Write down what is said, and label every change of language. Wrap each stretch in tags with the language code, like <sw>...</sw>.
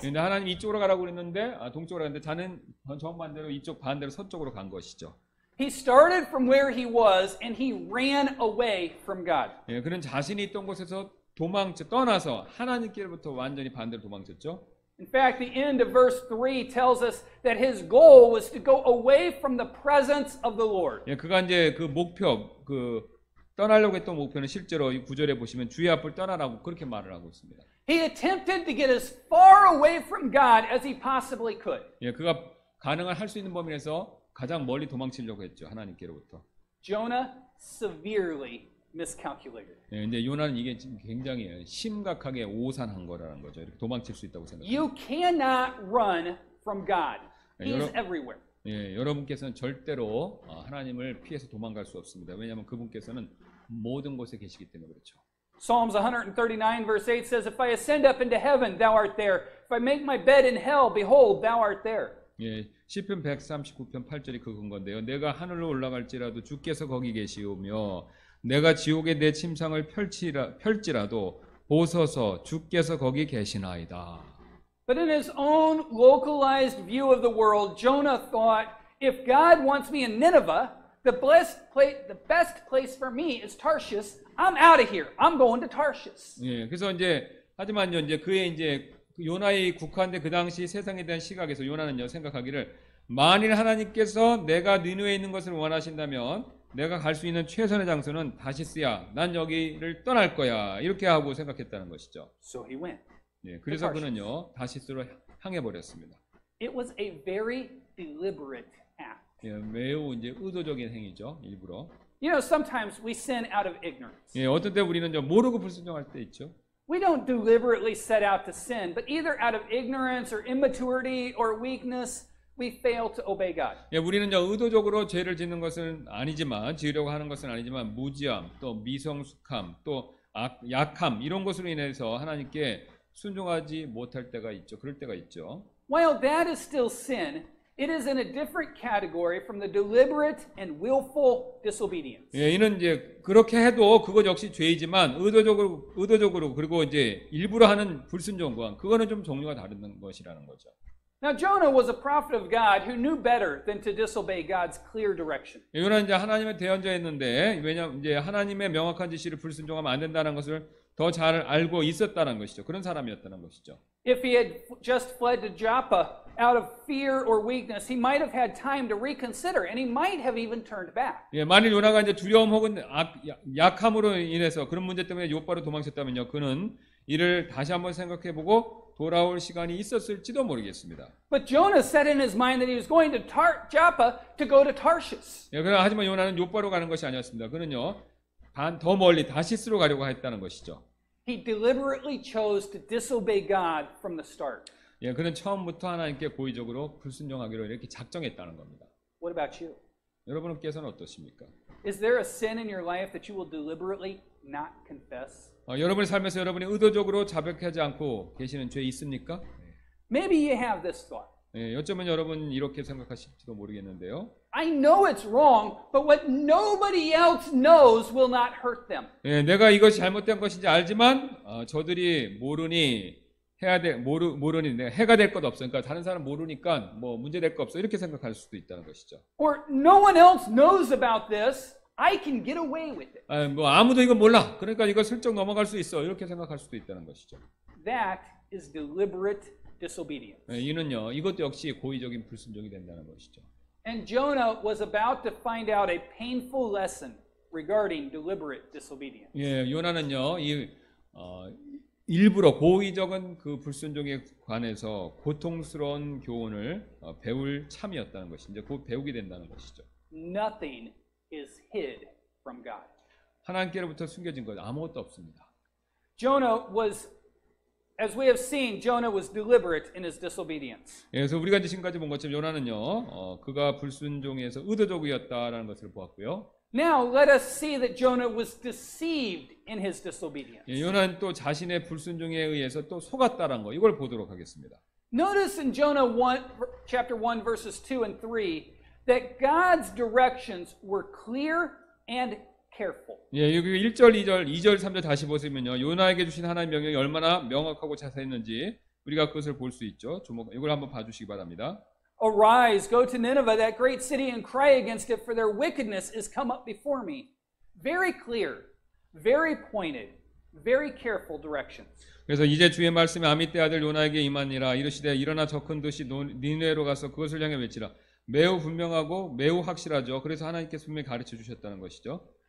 <ko>그런데 하나님 이쪽으로 가라고 그랬는데 아, 동쪽으로 갔는데 자는 정반대로 이쪽 반대로 서쪽으로 간 것이죠.</ko> <en>He started from where he was and he ran away from God.</en> <ko>예, 그는 자신이 있던 곳에서 도망쳐 떠나서 하나님께로부터 완전히 반대로 도망쳤죠.</ko> <en>In fact, the end of verse 3 tells us that his goal was to go away from the presence of the Lord.</en> <ko>예, 그가 이제 그 목표 그 떠나려고 했던 목표는 실제로 이 구절에 보시면 주의 앞을 떠나라고 그렇게 말을 하고 있습니다.</ko> <en>He attempted to get as far away from God as he possibly could.</en> <ko>예, 그가 가능한 할 수 있는 범위 내에서 가장 멀리 도망치려고 했죠. 하나님께로부터.</ko> <en>Jonah severely miscalculated.</en> <ko>예, 근데 요나는 이게 굉장히 심각하게 오산한 거라는 거죠. 이렇게 도망칠 수 있다고 생각합니다.</ko> <en>You cannot run from God. He is everywhere.</en> <ko>예, 여러분께서는 절대로 하나님을 피해서 도망갈 수 없습니다. 왜냐하면 그분께서는 모든 곳에 계시기 때문에 그렇죠.</ko> <en>Psalms 139 verse 8 says, If I ascend up into heaven, thou art there. If I make my bed in hell, behold, thou art there.</en> <ko>예, 시편 139편 8절이 그 근거인데요. 내가 하늘로 올라갈지라도 주께서 거기 계시오며 내가 지옥에 내 침상을 펼지라도 보소서 주께서 거기 계시나이다.</ko> <en>But in his own localized view of the world, Jonah thought, if God wants me in Nineveh, the best place for me is Tarshish. I'm out of here. I'm going to Tarshish.</en> <ko>예, 그래서 이제 하지만요. 이제 그의 이제 요나의 국한대 그 당시 세상에 대한 시각에서 요나는요 생각하기를 만일 하나님께서 내가 니느웨에 있는 것을 원하신다면 내가 갈 수 있는 최선의 장소는 다시스야. 난 여기를 떠날 거야. 이렇게 하고 생각했다는 것이죠.</ko> <en>So he went.</en> <ko>네, 그래서 그는요 다시스로 향해 버렸습니다.</ko> <en>It was a very deliberate act.</en> <ko>예, 매우 이제 의도적인 행위죠. 일부러.</ko> <en>You know, sometimes we sin out of ignorance.</en> <ko>예, 어떤 때 우리는요 모르고 불순종할 때 있죠.</ko> <en>We don't deliberately set out to sin, but either out of ignorance or immaturity or weakness, we fail to obey God.</en> <ko>예, 우리는요 의도적으로 죄를 짓는 것은 아니지만 지으려고 하는 것은 아니지만 무지함, 또 미성숙함, 또 약함 이런 것으로 인해서 하나님께 순종하지 못할 때가 있죠. 그럴 때가 있죠.</ko> <en>While that is still sin, it is in a different category from the deliberate and willful disobedience.</en> <ko>예, 이는 이제 그렇게 해도 그것 역시 죄이지만 의도적으로 그리고 이제 일부러 하는 불순종과 그거는 좀 종류가 다른 것이라는 거죠.</ko> <en>Now Jonah was a prophet of God who knew better than to disobey God's clear direction.</en> <ko>요나는 이제 하나님의 대언자였는데 왜냐면 이제 하나님의 명확한 지시를 불순종하면 안 된다는 것을 더 잘 알고 있었다는 것이죠. 그런 사람이었다는 것이죠.</ko> <en>If he had just fled to Joppa out of fear or weakness, he might have had time to reconsider, and he might have even turned back.</en> <ko>예, 만일 요나가 이제 두려움 혹은 약함으로 인해서 그런 문제 때문에 욥바로 도망쳤다면요, 그는 이를 다시 한번 생각해보고 돌아올 시간이 있었을지도 모르겠습니다.</ko> <en>But Jonah set in his mind that he was going to Joppa to go to Tarshish.</en> <ko>예, 그러나 하지만 요나는 욥바로 가는 것이 아니었습니다. 그는요. 더 멀리 다시스로 가려고 했다는 것이죠.</ko> <en>He deliberately chose to disobey God from the start.</en> <ko>예, 그는 처음부터 하나님께 고의적으로 불순종하기로 이렇게 작정했다는 겁니다.</ko> <en>What about you?</en> <ko>여러분께서는 어떠십니까?</ko> <en>Is there a sin in your life that you will deliberately not confess?</en> <ko>여러분 삶에서 여러분이 의도적으로 자백하지 않고 계시는 죄 있습니까?</ko> <en>Maybe you have this thought.</en> <ko>예, 어쩌면 여러분 이렇게 생각하실지도 모르겠는데요.</ko> <en>I know it's wrong, but what nobody else knows will not hurt them.</en> <ko>예, 내가 이것이 잘못된 것인지 알지만 저들이 모르니 모르니 내가 해가 될 것 없어. 그러니까 다른 사람 모르니까 뭐 문제 될 거 없어. 이렇게 생각할 수도 있다는 것이죠.</ko> <en>Or no one else knows about this. I can get away with it.</en> <ko>예, 뭐 아무도 이거 몰라. 그러니까 이거 슬쩍 넘어갈 수 있어. 이렇게 생각할 수도 있다는 것이죠.</ko> <en>That is deliberate disobedience.</en> <ko>예, 이는요. 이것도 역시 고의적인 불순종이 된다는 것이죠.</ko> <en>And Jonah was about to find out a painful lesson regarding deliberate disobedience.</en> <ko>예, 요나는요, 이 일부러 고의적인 그 불순종에 관해서 고통스러운 교훈을 배울 참이었다는 것이죠. 곧 배우게 된다는 것이죠.</ko> <en>Nothing is hid from God.</en> <ko>하나님께로부터 숨겨진 것 아무것도 없습니다.</ko> <en>Jonah was As we have seen, Jonah was deliberate in his disobedience.</en> <ko>그래서 우리가 지금까지 본 것처럼 요나는요, 그가 불순종에서 의도적이었다라는 것을 보았고요.</ko> <en>Now let us see that Jonah was deceived in his disobedience.</en> <ko>요나는 또 자신의 불순종에 의해서 또 속았다라는 거 이걸 보도록 하겠습니다.</ko> <en>Notice in Jonah 1 chapter 1 verses 2 and 3 that God's directions were clear and careful.</en> <ko>예, 여기 1절, 2절, 2절, 3절 다시 보시면요. 요나에게 주신 하나님의 명령이 얼마나 명확하고 자세했는지 우리가 그것을 볼 수 있죠. 이걸 한번 봐 주시기 바랍니다.</ko> <en>Arise, go to Nineveh, that great city, and cry against it, for their wickedness is come up before me. Very clear, very pointed, very careful directions.</en> <ko>그래서 이제 주의 말씀이 아미떼 아들 요나에게 임하니라 이르시되 일어나 적은듯이 니느웨로 가서 그것을 향해 외치라. 매우 분명하고 매우 확실하죠. 그래서 하나님께서 분명히 가르쳐 주셨다는 것이죠.</ko>